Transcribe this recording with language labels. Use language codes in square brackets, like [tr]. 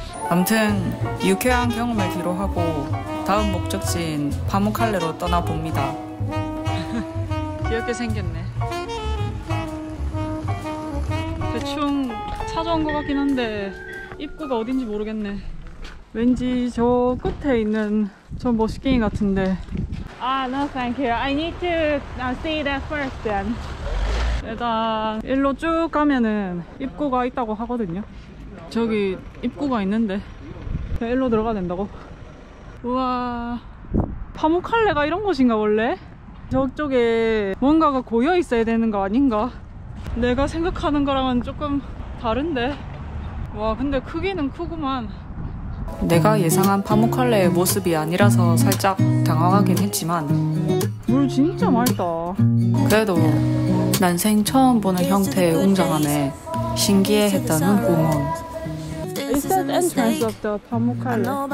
[ko] 아무튼 유쾌한 경험을 뒤로하고 다음 목적지인 파무칼레로 떠나봅니다. 귀엽게 생겼네. 대충 차 찾아온 것 같긴 한데 입구가 어딘지 모르겠네. 왠지 저 끝에 있는 저 멋있게 같은데. [en] Ah, no, thank you. I need to see that first then. [ko] 일단 일로 쭉 가면은 입구가 있다고 하거든요. 저기 입구가 있는데 일로 들어가야 된다고. 우와, 파묵칼레가 이런 곳인가 원래? 저쪽에 뭔가가 고여 있어야 되는 거 아닌가? 내가 생각하는 거랑은 조금 다른데. 와, 근데 크기는 크구만. 내가 예상한 파묵칼레의 모습이 아니라서 살짝 당황하긴 했지만, 물 진짜 맑다. 그래도 난생 처음 보는 형태의 웅장함에 신기해 했던 후궁은. [en] Is that entrance of the Pamukkale?